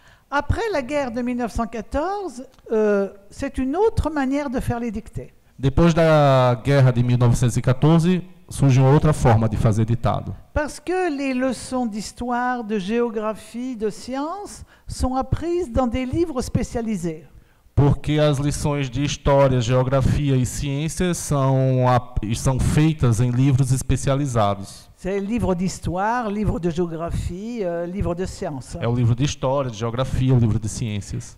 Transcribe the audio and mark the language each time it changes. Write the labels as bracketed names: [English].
[French] Après la guerre de 1914, c'est une autre manière de faire les dictées. [Portuguese] Depois da guerra de 1914, surge uma outra forma de fazer ditado. [French] Parce que les leçons d'histoire, de géographie, de sciences sont apprises dans des livres spécialisés. [Portuguese] Porque as lições de história, geografia e ciências são feitas em livros especializados. É o livro de história, livro de geografia, livro de ciências. É o livro de história, de geografia, livro de ciências.